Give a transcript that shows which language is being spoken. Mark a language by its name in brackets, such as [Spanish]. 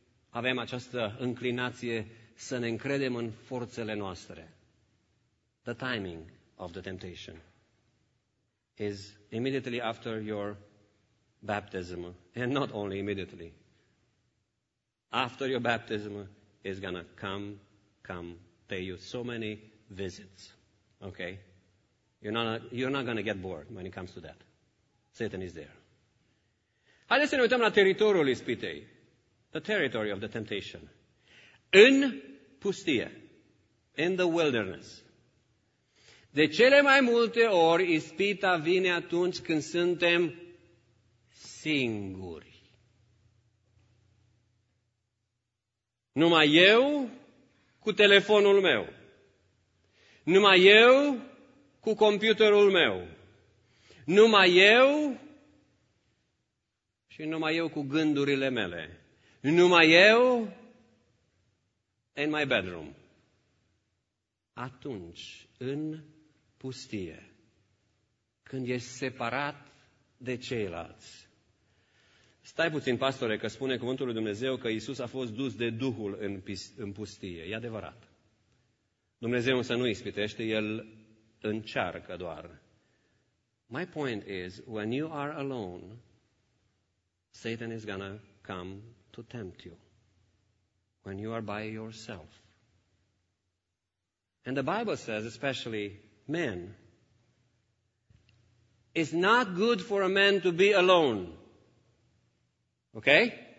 [Romanian] Avem această înclinație să ne încredem în forțele noastre. [English] The timing of the temptation is immediately after your baptism, and not only immediately. After your baptism is gonna come, pay you so many visits. Okay? You're not gonna get bored when it comes to that. Satan is there. [Romanian] Haideți să ne uităm la teritoriul ispitei. [English] The territory of the temptation. [Romanian] În pustie. [English] In the wilderness. [Romanian] De cele mai multe ori, ispita vine atunci când suntem singuri. Numai eu cu telefonul meu. Numai eu cu computerul meu. Numai eu și numai eu cu gândurile mele. Numai eu [English] in my bedroom. [Romanian] Atunci, în pustie, când ești separat de ceilalți. Stai puțin, pastore, că spune cuvântul lui Dumnezeu că Iisus a fost dus de Duhul în pustie. E adevărat. Dumnezeu însă nu ispitește, El încearcă doar. [English] My point is, when you are alone, Satan is gonna come to tempt you. When you are by yourself. And the Bible says, especially men, it's not good for a man to be alone. Okay?